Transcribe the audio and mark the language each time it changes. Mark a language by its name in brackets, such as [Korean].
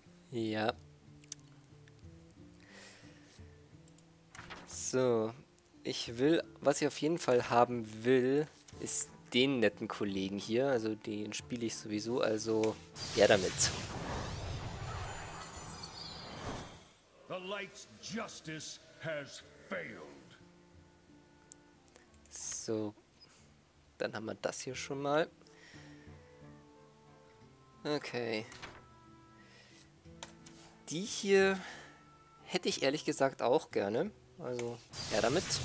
[German] Ja. So. Ich will, was ich auf jeden Fall haben will, ist den netten Kollegen hier. Also den spiele ich sowieso, also her damit. [English] The Light's justice has failed. [German] So, dann haben wir das hier schon mal. Okay. Die hier hätte ich ehrlich gesagt auch gerne. Also, ja damit.